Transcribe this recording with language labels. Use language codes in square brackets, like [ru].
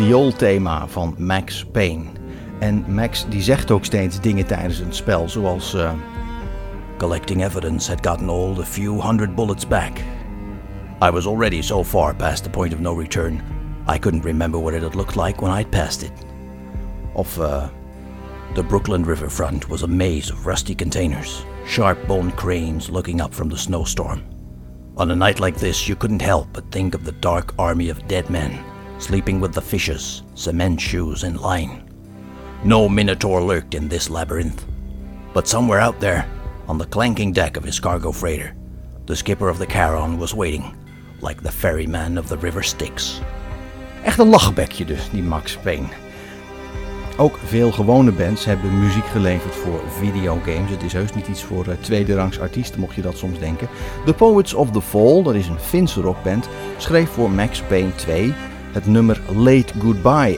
[nl] Soul-thema van Max Payne. En Max die zegt ook steeds dingen tijdens een spel, zoals... [en] Collecting evidence had gotten all the few hundred bullets back. I was already so far past the point of no return, I couldn't remember what it had looked like when I'd passed it. Of, the Brooklyn Riverfront was a maze of rusty containers, sharp-boned cranes looking up from the snowstorm. On a night like this, you couldn't help but think of the dark army of dead men, sleeping with the fishes, cement shoes in line. No minotaur lurked in this labyrinth. But somewhere out there, on the clanking deck of his cargo freighter, the skipper of the Charon was waiting, like the ferryman of the River Styx. [nl] Echt een lachbekje dus, die Max Payne. Ook veel gewone bands hebben muziek geleverd voor videogames. Het is heus niet iets voor tweederangs artiesten, mocht je dat soms denken. The Poets of the Fall, dat is een Finse rockband, schreef voor Max Payne 2 het nummer Late Goodbye.